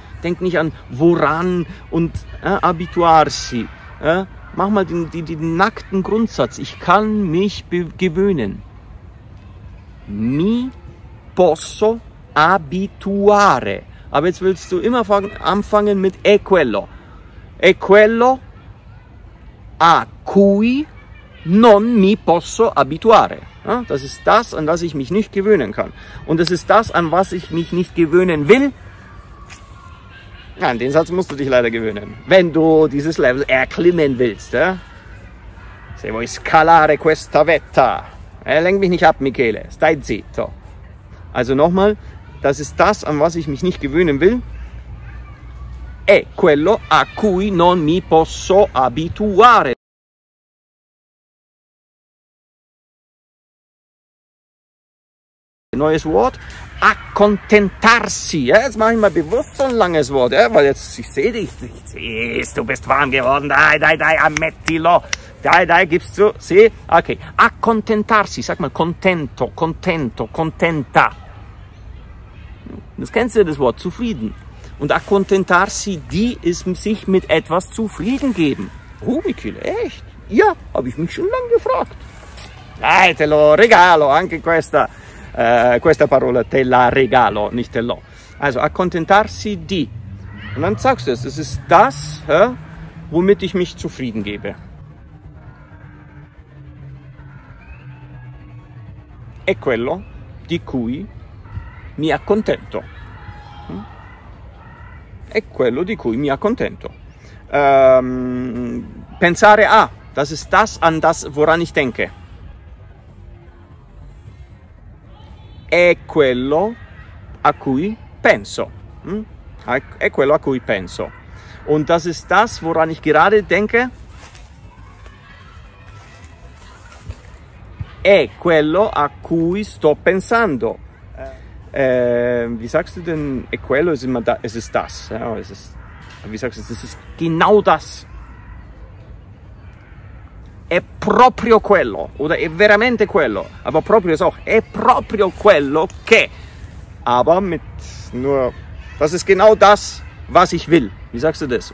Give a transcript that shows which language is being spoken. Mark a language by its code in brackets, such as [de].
[de] Denk nicht an woran und abituarsi. Mach mal den nackten Grundsatz. Ich kann mich gewöhnen. [it] Mi posso abituare. [de] Aber jetzt willst du immer anfangen mit [it] è quello. È quello a cui non mi posso abituare. [de] Ja, das ist das, an das ich mich nicht gewöhnen kann. Und es ist das, an was ich mich nicht gewöhnen will. An den Satz musst du dich leider gewöhnen, wenn du dieses Level erklimmen willst. Ja? [it] Se vuoi scalare questa vetta. [de] Lenk mich nicht ab, Michele. [it] Stai zitto. [de] Also nochmal, das ist das, an was ich mich nicht gewöhnen will. [it] È quello a cui non mi posso abituare. [de] Neues Wort, accontentarsi. Jetzt mache ich mal bewusst so ein langes Wort, weil jetzt, ich sehe dich, du bist warm geworden, [it] dai, ammettilo, dai, [de] gibst du, sì, okay. [it] Accontentarsi, [de] sag mal, [it] contento, contenta. [de] Das kennst du, das Wort, zufrieden. Und [it] accontentarsi, [de] die ist sich mit etwas zufrieden geben. Oh, Michele, echt? Ja, habe ich mich schon lange gefragt. [it] Dai, te lo regalo, anche questa. Questa parola te la regalo, [de] nicht te lo. [it] Also, accontentarsi di. [de] Und dann sagst du es ist das, womit ich mich zufrieden gebe. [it] È quello di cui mi accontento. È quello di cui mi accontento. Pensare a, [de] das ist das, an das, woran ich denke. [it] È quello a cui penso. È quello a cui penso. [de] Und das ist das, woran ich gerade denke. [it] È quello a cui sto pensando. [de] Wie sagst du denn, [it] è quello, [de] ist immer da, es ist das. Ja, es ist, wie sagst du, es ist genau das. [it] È proprio quello, oder è veramente quello, aber proprio ist auch, è proprio quello che, [de] aber mit nur, das ist genau das, was ich will. Wie sagst du das?